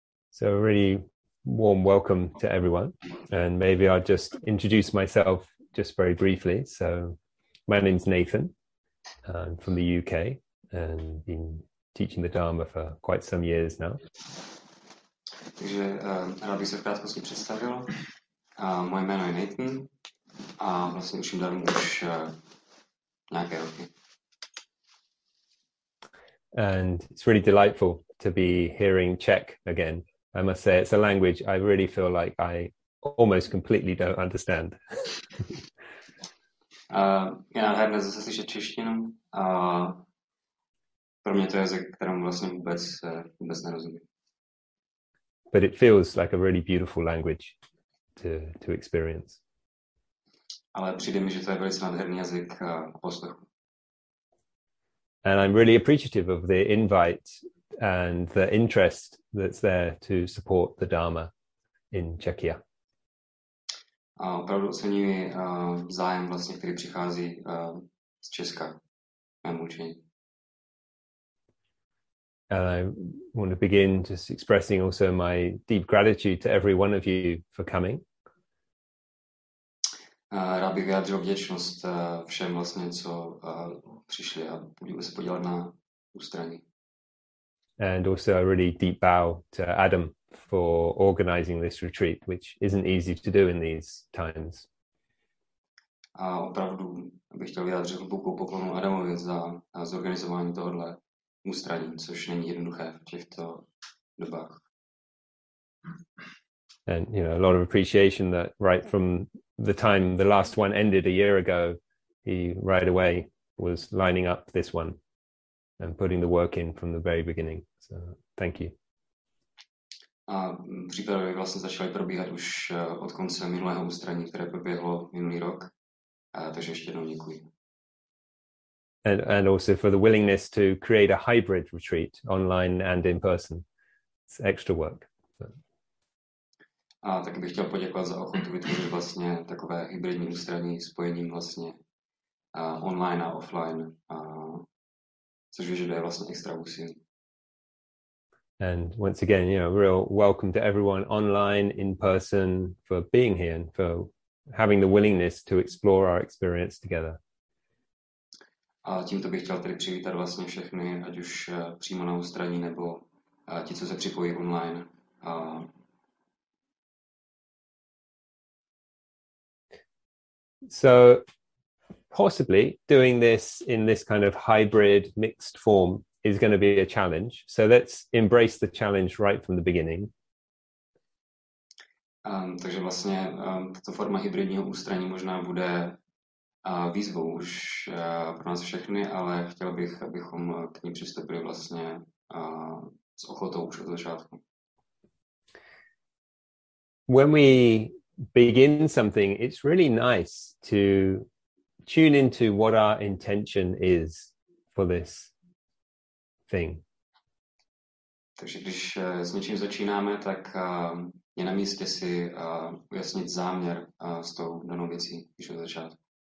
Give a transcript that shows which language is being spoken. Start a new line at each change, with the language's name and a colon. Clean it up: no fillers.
English: So, really. Warm welcome to everyone, and maybe I'll just introduce myself just very briefly. So my name's Nathan. I'm from the UK and been teaching the Dharma for quite some years now.
Czech: Takže rád bych se v krátkosti představil. Moje jméno je Nathan a vlastně učím Dharmu už nějaké roky.
English: And it's really delightful to be hearing Czech again. I must say, it's a language I really feel like I almost completely don't understand.
Czech: Je nádherné zase slyšet češtinu. Pro mě to je jazyk, kterému vlastně vůbec nerozumím.
English: But it feels like a really beautiful language to experience.
Czech: Ale přijde mi, že to je velice nádherný jazyk poslechu.
English: And I'm really appreciative of the invite and the interest that's there to support the Dharma in Czechia.
Czech: Opravdu oceňuji zájem vlastně, který přichází z Česka mému učení.
English: And I want to begin just expressing also my deep gratitude to every one of you for coming.
Czech: Rád bych vyjádřil vděčnost všem vlastně, co přišli a budeme se podívat na ústraní.
English: And also a really deep bow to Adam for organizing this retreat, which isn't easy to do in these times.
Czech: A opravdu bych chtěl vyjádřit hlubokou poklonu Adamovi za zorganizování tohohle ústraní, což není jednoduché v těchto dobách.
English: And you know, a lot of appreciation that right from the time the last one ended a year ago, he right away was lining up this one and putting the work in from the very beginning. So, thank you.
Czech: A přípravy vlastně začaly probíhat už od konce minulého ústraní, které proběhlo minulý rok. Takže ještě jednou děkuji.
English: And also for the willingness to create a hybrid retreat online and in person. It's extra work. So.
Czech: A taky bych chtěl poděkovat za ochotu vytvořit vlastně takové hybridní ústraní spojením vlastně online a offline. Což vyžaduje vlastně extra úsilí.
English: And once again, you know, real welcome to everyone online, in person, for being here and for having the willingness to explore our experience together.
Czech: A tímto bych chtěl tedy přivítat vlastně všechny, ať už přímo na ústraní, nebo ti, co se připojí online.
English: So possibly doing this in this kind of hybrid mixed form is going to be a challenge. So let's embrace the challenge right from the beginning.
Czech: Takže vlastně tato forma hybridního ústraní možná bude výzvou už pro nás všechny, ale chtěl bych, abychom k ní přistoupili vlastně s ochotou už od začátku.
English: When we begin something, it's really nice to tune into what our intention is for this thing.
Czech: Takže když s něčím začínáme, tak je na místě si ujasnit záměr s tou danou věcí, když od začátku.